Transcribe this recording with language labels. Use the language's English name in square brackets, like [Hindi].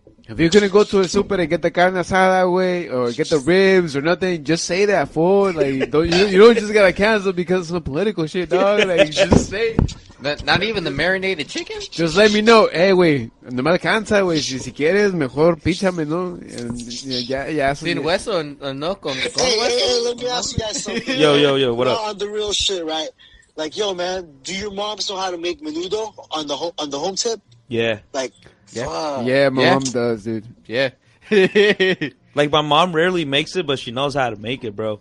[English] If you couldn't go to a super and get the carne asada way or get the ribs or nothing, just say that, fool. Like, you don't just gotta cancel because of some political shit, dog. Like, just say. Not even the marinated chicken? Just let me know. [Spanish] Hey, güey, no me alcanza, güey. Si quieres, mejor píchame, ¿no? Ya. Sin hueso, no, con hueso. [English] Hey, let me ask you guys something. Yo, what no, up? On the real shit, right? Like, yo, man, do your moms know how to make menudo on the home tip? Yeah. Like, yeah. Yeah, my mom does, dude. Yeah. Like, my mom rarely makes it, but she knows how to make it, bro.